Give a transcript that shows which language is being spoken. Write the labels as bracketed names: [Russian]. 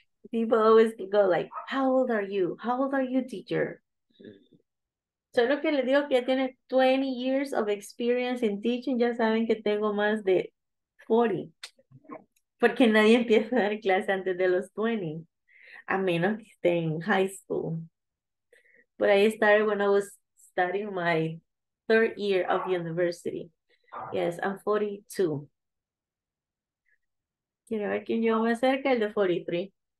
[English] People always go like, how old are you? How old are you, teacher? [Spanish] Solo que le digo que ya tiene 20 years of experience in teaching, ya saben que tengo más de 40. Porque nadie empieza a dar clase antes de los 20. A menos que esté en high school. [English] But I started when I was studying my third year of university. Yes, I'm 42. [Spanish] Quiero ver quién lleva más cerca, el de 43.